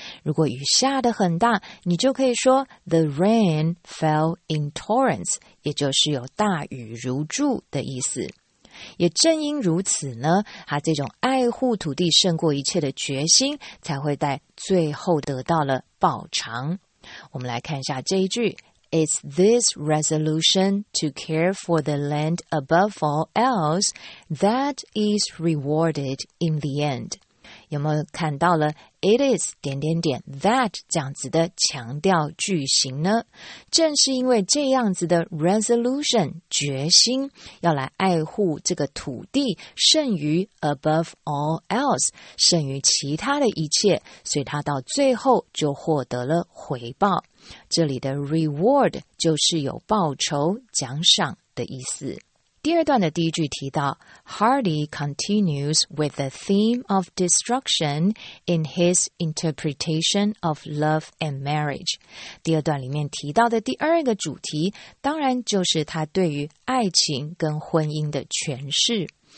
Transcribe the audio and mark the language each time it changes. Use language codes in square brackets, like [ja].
[zh] 如果雨下得很大，你就可以说 [en] The rain fell in torrents， [zh] 也就是有大雨如注的意思。也正因如此呢，他这种爱护土地胜过一切的决心才会在最后得到了报偿。我们来看一下这一句， [en] It's this resolution to care for the land above all else that is rewarded in the end。 [zh] 有没有看到了 It is 点点点 that 这样子的强调句型呢？正是因为这样子的 resolution 决心要来爱护这个土地胜于 [en] above all else [zh] 胜于其他的一切，所以他到最后就获得了回报。这里的 reward 就是有报酬奖赏的意思。第二段的第一句提到 [en] Hardy continues with the theme of destruction in his interpretation of love and marriage。 [zh] 第二段里面提到的第二个主题当然就是他对于爱情跟婚姻的诠释。